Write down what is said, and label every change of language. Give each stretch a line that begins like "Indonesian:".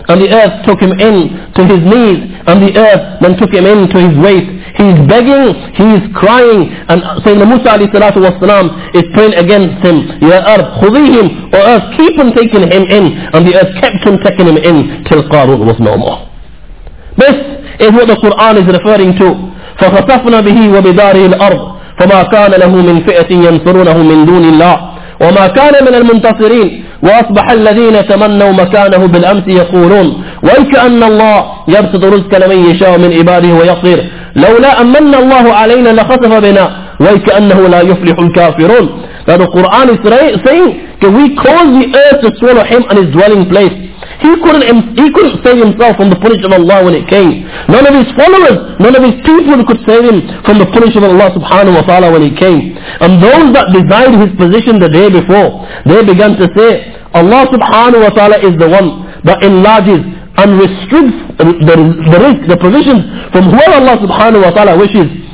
English: And the earth took him in to his knees, and the earth then took him in to his waist. He is begging, he is crying, and Sayyidina Musa alayhi salatu wa salam is praying against him,
Arabic: Ya Ard, khudihim,
English: O earth, keep on taking him in. And the earth kept on taking him in till Qarun was no more. This is what the Quran is referring to.
Arabic: فَخَسَفْنَا بِهِ وَبِدَارِهِ الْأَرْضِ فَمَا كَانَ لَهُ مِنْ فِئَةٍ يَنْصُرُونَهُ مِنْ دُونِ اللَّهِ وَمَا كَانَ مِنَ الْمُنْتَصِرِينَ وَأَصْبَحَ الَّذِينَ تَمَنَّوا مَكَانَهُ بِالْأَمْسِ يَقُولُونَ وَيْكَأَنَّ اللَّهَ يَبْسُطُ الرِّزْقَ لِمَنْ يَشَاءُ مِنْ عِبَادِهِ وَيَقْدِرُ لَوْلَا أَمَنَّ اللَّهُ عَلَيْنَا لَخَسَفَ بِنَا وَيْكَأَنَّهُ لَا يُفْلِحُ الْكَافِرُونَ.
English: That the Quran is saying, can we cause the earth to swallow him and his dwelling place? He couldn't save himself from the punishment of Allah when it came. None of his followers, none of his people could save him from the punishment of Allah subhanahu wa ta'ala when it came. And those that desired his position the day before, they began to say, Allah subhanahu wa ta'ala is the one that enlarges and restricts the risk, the provisions from whoever Allah subhanahu wa ta'ala wishes.